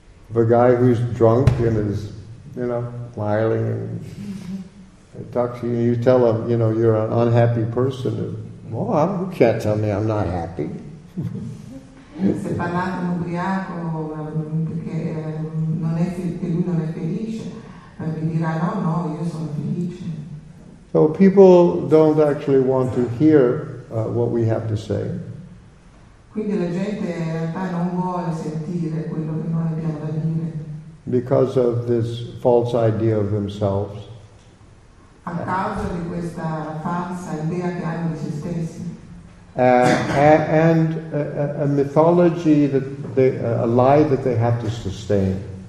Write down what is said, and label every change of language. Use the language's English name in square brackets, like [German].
[English] The guy who's drunk and is, you know, smiling and talks to you, you tell him, you know, you're an unhappy person. Well, you can't tell me I'm not happy. [Italian] Se parlate un ubriaco perché non è che lui non è felice, vi dirà no, no, io sono felice. [English] So people don't actually want to hear what we have to say. [Italian] Quindi la gente in realtà non vuole sentire quello che noi abbiamo da dire. [English] Because of this false idea of themselves. [Italian] A causa di questa falsa idea che hanno di se stessi. [English] And a mythology that they, a lie that they have to sustain.